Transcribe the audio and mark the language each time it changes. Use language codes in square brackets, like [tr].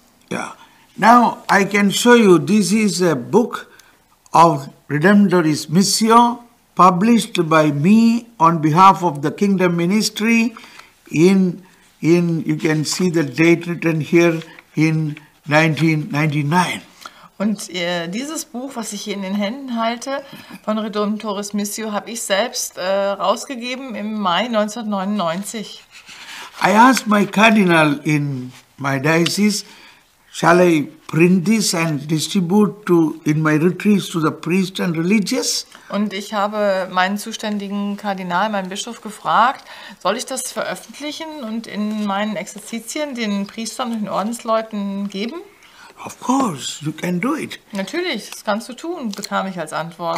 [de] ja, [en] now I can show you, this is a book of Redemptoris Missio, published by me on behalf of the Kingdom Ministry in you can see the date written here in 1999. [de] Und dieses Buch, was ich hier in den Händen halte, von Redemptoris Missio, habe ich selbst rausgegeben im Mai 1999. [en] I asked my cardinal in my diocese, shall I print this and distribute to in my retreats to the priests and religious? [de] Und ich habe meinen zuständigen Kardinal, meinen Bischof, gefragt, soll ich das veröffentlichen und in meinen Exerzitien den Priestern und den Ordensleuten geben? [en] Of course, you can do it. [de] Natürlich, das kannst du tun, bekam ich als Antwort.